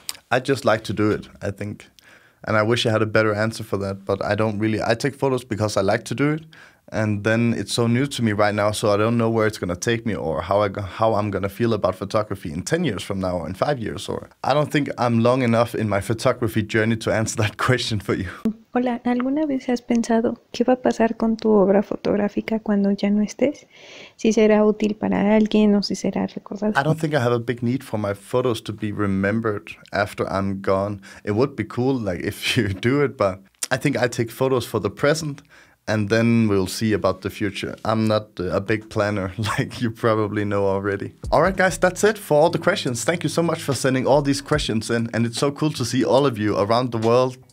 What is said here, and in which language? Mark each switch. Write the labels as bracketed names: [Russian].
[English] I just like to do it, I think. And I wish I had a better answer for that, but I don't really. I take photos because I like to do it, and then it's so new to me right now, so I don't know where it's going to take me or how I'm going to feel about photography in 10 years from now or in 5 years. Or I don't think I'm long enough in my photography journey to answer that question for you. [Spanish] Hola, ¿alguna vez has pensado qué va a pasar con tu obra fotográfica cuando ya no estés? ¿Si será útil para alguien o si será recordado? [English] I don't think I have a big need for my photos to be remembered after I'm gone. It would be cool like if you do it, but I think I take photos for the present and then we'll see about the future. I'm not a big planner, like you probably know already. All right, guys, that's it for all the questions. Thank you so much for sending all these questions in, and it's so cool to see all of you around the world